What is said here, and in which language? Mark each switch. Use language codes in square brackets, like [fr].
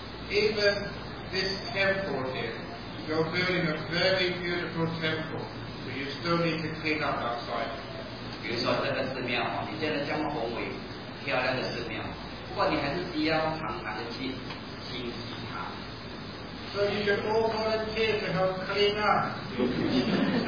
[en] Even this temple here, you're building a very beautiful temple, but you still need to clean up outside. [zh] 比如说这个寺庙，你建的这么宏伟、漂亮的寺庙，不过你还是需要常常的去清洗它。 [en] So you should all volunteer to help clean up.